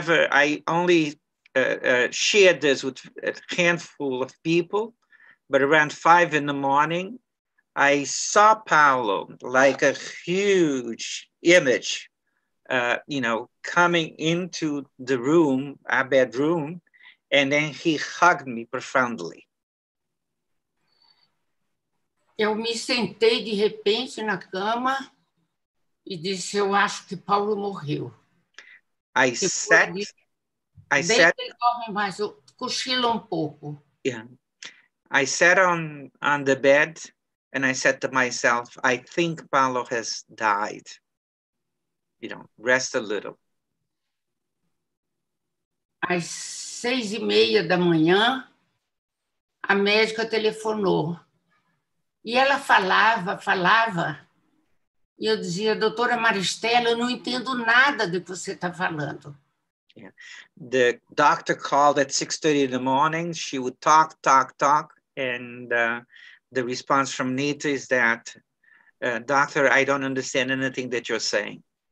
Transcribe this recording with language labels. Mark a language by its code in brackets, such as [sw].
[en] I only shared this with a handful of people, but around 5 in the morning, I saw Paulo like a huge image, you know, coming into the room, our bedroom, and then he hugged me profoundly. [pt] Eu me sentei de repente na cama e disse, eu acho que Paulo morreu. [en] I sat on the bed and I said to myself, I think Paulo has died. You know, rest a little. [pt] Às 6:30 da manhã, a médica telefonou. E ela falava, e eu dizia, doutora Maristela, eu não entendo nada do que você está falando. [en] Yeah. The doctor called at 6:30 in the morning, she would talk, and the response from Nita is that, doctor, I don't understand anything that you're saying.